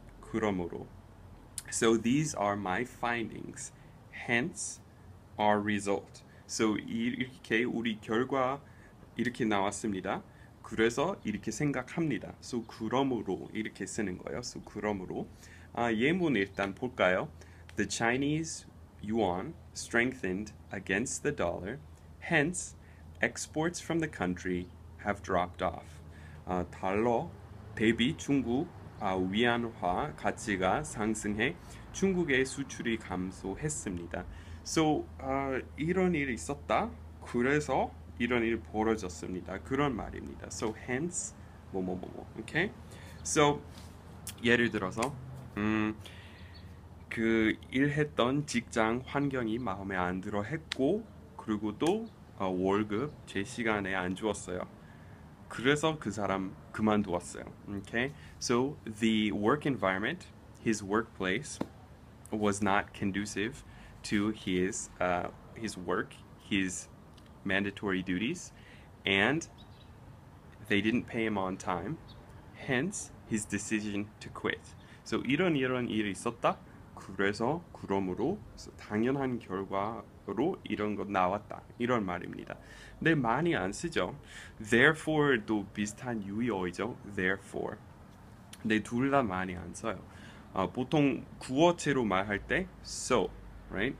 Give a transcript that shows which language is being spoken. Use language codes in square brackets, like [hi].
[ko] 그러므로. [en] So these are my findings. Hence our result. [ko] So 이렇게 우리 결과 이렇게 나왔습니다. 그래서 이렇게 생각합니다. So 그러므로 이렇게 쓰는 거예요. So 그러므로 예문 일단 볼까요? [en] The Chinese yuan strengthened against the dollar, hence exports from the country have dropped off. [ko] 달러 대비 중국 위안화 가치가 상승해 중국의 수출이 감소했습니다. So 이런 일이 있었다. 그래서 이런 일이 벌어졌습니다. 그런 말입니다. So hence 뭐뭐뭐뭐. Okay? So 예를 들어서 그 일했던 직장 환경이 마음에 안 들어 했고 그리고 또 월급 제 시간에 안 주었어요. 그래서 그 사람 그만두었어요. Okay? [en] So the work environment, his workplace was not conducive to his work, his mandatory duties, and they didn't pay him on time. Hence his decision to quit. So [ko] 이런 일이 있었다. 그래서 그러므로 당연한 결과로 이런 것 나왔다. 이런 말입니다. 근데 많이 안 쓰죠. Therefore도 비슷한 유의어이죠. Therefore. 근데 둘다 많이 안 써요. 보통 구어체로 말할 때 so, right?